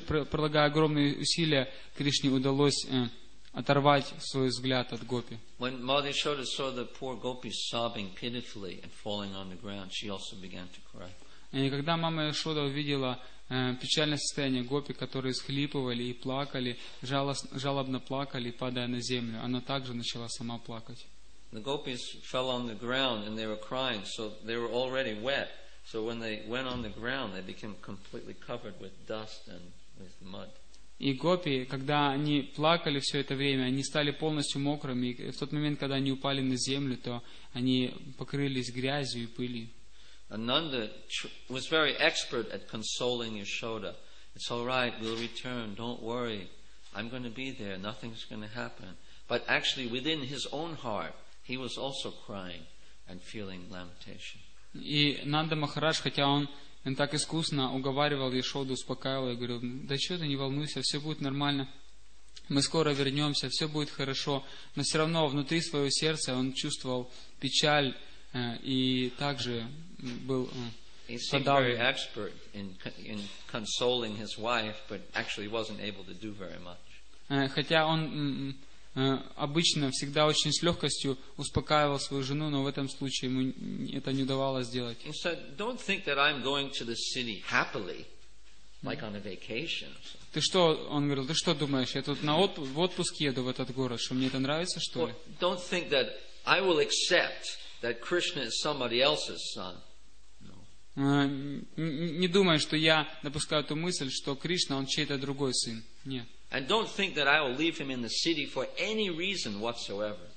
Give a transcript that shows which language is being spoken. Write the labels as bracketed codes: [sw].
[ru] Прилагая огромные усилия, Кришне удалось оторвать свой взгляд от гопи. [en] When Mother Yashoda saw the poor gopis sobbing pitifully and falling on the ground, she also began to cry. [ru] И когда мама Яшода увидела печальное состояние гопи, которые схлипывали и плакали, жалобно плакали, падая на землю, она также начала сама плакать. [en] The gopis fell on the ground and they were crying, so they were already wet. So when they went on the ground, they became completely covered with dust and with mud. [ru] И гопи, когда они плакали все это время, они стали полностью мокрыми. И в тот момент, когда они упали на землю, то они покрылись грязью и пылью. [en] Ananda was very expert at consoling Yashoda. It's all right, we'll return. Don't worry, I'm going to be there. Nothing's going to happen. But actually, within his own heart, he was also crying and feeling lamentation. [ru] И Нанда Махарадж, хотя он так искусно уговаривал Яшоду, успокаивал его, говорил: "Да что ты, не волнуйся, все будет нормально. Мы скоро вернемся, все будет хорошо." Но все равно внутри своего сердца он чувствовал печаль и также был подавлен. [en] He seemed very expert in consoling his wife, but actually wasn't able to do very much. [ru] Хотя он обычно всегда очень с легкостью успокаивал свою жену, но в этом случае ему это не удавалось сделать. [en] He said, "Don't think that I'm going to the city happily, like on a vacation." [ru] Ты что, он говорил, ты что думаешь, я тут в отпуск еду в этот город, что мне это нравится, что ли? [en] Well, don't think that I will accept that Krishna is somebody else's son. [ru] Не думай, что я допускаю ту мысль, что Кришна, он чей-то другой сын. Нет. [en] And don't think that I will leave him in the city for any reason whatsoever.